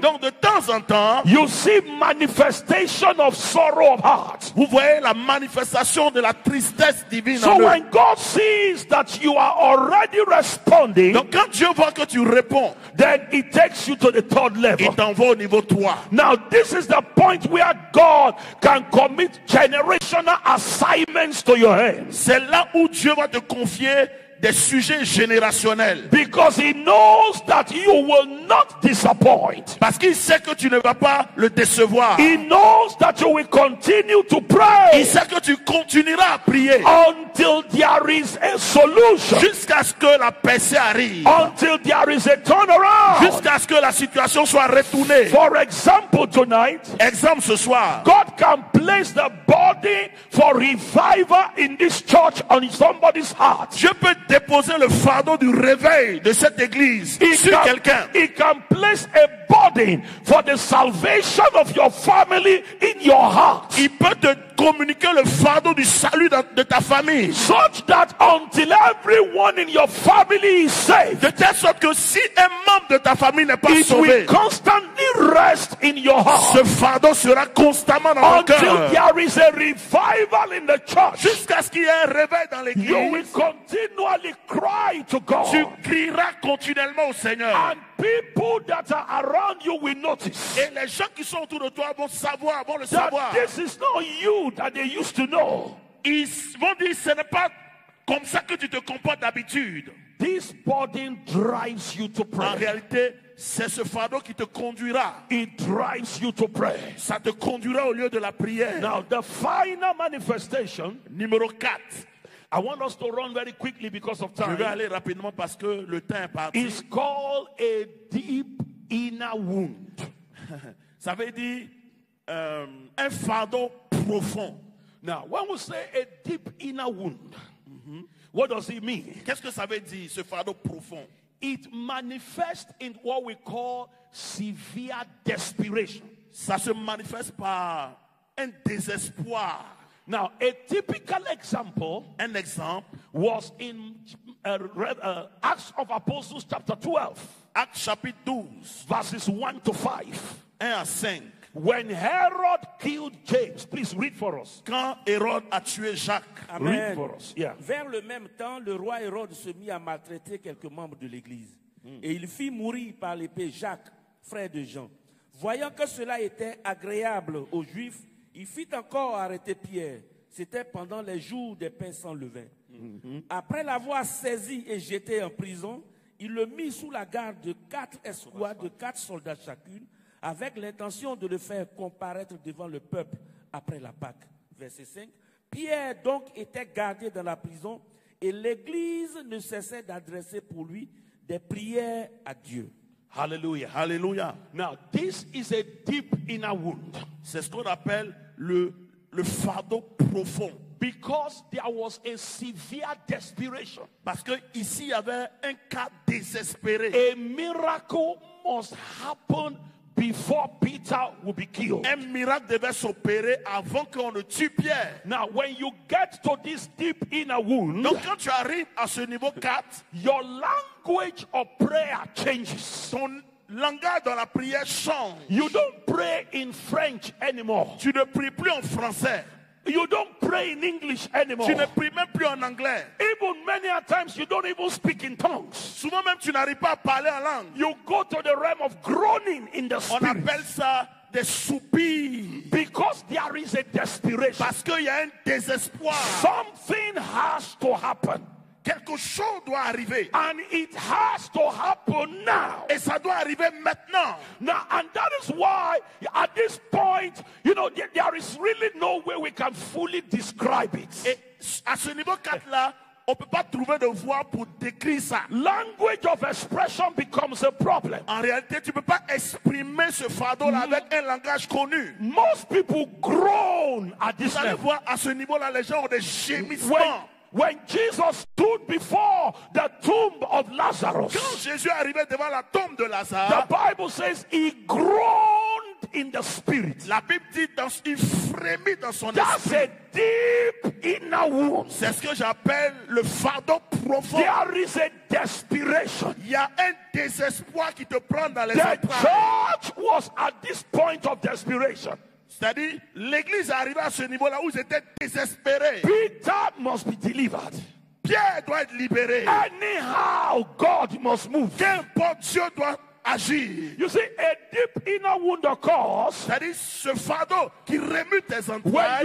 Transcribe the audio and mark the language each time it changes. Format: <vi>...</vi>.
<fr>donc de temps en temps,</fr> <en>you see manifestation of sorrow of heart.</en> <fr>Vous voyez la manifestation de la tristesse divine</fr> <en>so</en> <fr>en eux.</fr> <en>When God sees that you are already responding,</en> <fr>donc quand Dieu voit que tu réponds,</fr> <en>then he takes you to the third level.</en> <fr>Il t'envoie au niveau 3.</fr> <en>Now this is the point where God can commit generational assignments to your hands.</en> <fr>C'est là où Dieu va te confier des sujets générationnels.</fr> <en>Because he knows that you will not disappoint.</en> <fr>Parce qu'il sait que tu ne vas pas le décevoir.</fr> <en>He knows that you will continue to pray.</en> <fr>Il sait que tu continueras à prier.</fr> <en>Until there is a solution.</en> <fr>Jusqu'à ce que la percée arrive.</fr> <en>Until there is a turnaround.</en> <fr>Jusqu'à ce que la situation soit retournée.</fr> <en>For example, tonight.</en> <fr>Exemple ce soir.</fr> <en>God can place the body for revival in this church on somebody's heart.</en> <fr>Je peux déposer le fardeau du réveil de cette église sur quelqu'un.</fr> <en>He can place a burden for the salvation of your family in your heart.</en> <fr>Il peut te communiquer le fardeau du salut de ta famille.</fr> <en>Such that until everyone in your family is saved.</en> <fr>De telle sorte que si un membre de ta famille n'est pas sauvé,</fr> <en>it will constantly rest in your heart.</en> <fr>Ce fardeau sera constamment dans ton cœur.</fr> <en>Until there is a revival in the church.</en> <fr>Jusqu'à ce qu'il y ait un réveil dans l'église.</fr> <en>You will continually cry to God.</en> <fr>Tu crieras continuellement au Seigneur.</fr> <en>And people that are around you will notice.</en> <fr>Et les gens qui sont autour de toi vont savoir, vont le savoir.</fr> <en>This is not you that they used to know.</en> <fr>Ils vont dire, ce n'est pas comme ça que tu te comportes d'habitude.</fr> <en>This burden drives you to pray.</en> <fr>En réalité, c'est ce fardeau qui te conduira.</fr> <en>It drives you to pray.</en> <fr>Ça te conduira au lieu de la prière.</fr> <en>Now the final manifestation,</en> <fr>numéro 4.</fr> <en>I want us to run very quickly because of time.</en> <fr>Je vais aller rapidement parce que le temps est parti.</fr> <en>It's called a deep inner wound.</en> <fr>Ça veut dire un fardeau profond.</fr> <en>Now, when we say a deep inner wound, what does it mean?</en> <fr>Qu'est-ce que ça veut dire ce fardeau profond?</fr> <en>It manifests in what we call severe desperation.</en> <fr>Ça se manifeste par un désespoir.</fr> <en>Now, a typical example, an example, was in Acts of Apostles chapter 12. Acts chapter 12, verses 1 to 5.</en> <fr>1 à 5.</fr> <en>When Herod killed James, please read for us.</en> <fr>Quand Hérode a tué Jacques,</fr> <en>amen. Read for us. Yeah.</en> <fr>Vers le même temps, le roi Hérode se mit à maltraiter quelques membres de l'église. Et il fit mourir par l'épée Jacques, frère de Jean. Voyant que cela était agréable aux Juifs, il fit encore arrêter Pierre. C'était pendant les jours des pains sans levain. Après l'avoir saisi et jeté en prison, il le mit sous la garde de 4 escouades, de 4 soldats chacune, avec l'intention de le faire comparaître devant le peuple après la Pâque. Verset 5. Pierre donc était gardé dans la prison et l'église ne cessait d'adresser pour lui des prières à Dieu.</fr> <en>Hallelujah, hallelujah. Now, this is a deep inner wound.</en> <fr>C'est ce qu'on appelle le fardeau profond.</fr> <en>Because there was a severe desperation.</en> <fr>Parce que ici, il y avait un cas désespéré.</fr> <en>A miracle must happen before Peter will be killed.</en> <fr>Un miracle devait s'opérer avant qu'on ne tue Pierre.</fr> <en>Now, when you get to this deep inner wound,</en> <fr>donc quand tu arrives à ce niveau 4,</fr> <en>your language of prayer changes.</en> <fr>Ton langage dans la prière change.</fr> <en>You don't pray in French anymore.</en> <fr>Tu ne pries plus en français.</fr> <en>You don't pray in English anymore.</en> <fr>Tu ne pries même plus en anglais.</fr> <en>Even many a times you don't even speak in tongues.</en> <fr>Souvent même tu n'arrives pas à parler en langue.</fr> <en>You go to the realm of groaning in the spirit.</en> <fr>On appelle ça des soupirs.</fr> <en>Because there is a desperation.</en> <fr>Parce qu'il y a un désespoir.</fr> <en>Something has to happen.</en> <fr>Quelque chose doit arriver.</fr> <en>And it has to happen now.</en> <fr>Et ça doit arriver maintenant.</fr> <en>Now, and that is why, at this point, you know, there is really no way we can fully describe it.</en> <fr>Et à ce niveau 4 là, on peut pas trouver de voix pour décrire ça.</fr> <en>Language of expression becomes a problem.</en> <fr>En réalité, tu peux pas exprimer ce fardeau là avec un langage connu.</fr> <en>Most people groan at this level.</en> <fr>Vous allez voir, à ce niveau là, les gens ont des gémissements.</fr> <en>When Jesus stood before the tomb of Lazarus,</en> <fr>quand Jésus arrivait devant la tombe de Lazare,</fr> <en>the Bible says he groaned in the spirit.</en> <fr>La Bible dit dans, il frémit dans son</fr> <en>That's</en> <fr>esprit.</fr> <en>That's a deep inner wound.</en> <fr>C'est ce que j'appelle le fardeau profond.</fr> <en>There is a desperation.</en> <fr>Il y a un désespoir qui te prend dans les</fr> <en>the</en> <fr>entrailles.</fr> <en>The church was at this point of desperation.</en> <fr>C'est-à-dire, l'église est arrivée à ce niveau-là où ils étaient désespérés.</fr> <en>Peter must be delivered.</en> <fr>Pierre doit être libéré.</fr> <en>Anyhow, God must move.</en> <fr>Qu'importe, Dieu doit agir.</fr> <en>You see, a deep inner wound occurs.</en> <fr>C'est-à-dire, ce fardeau qui remue tes entrailles.</fr>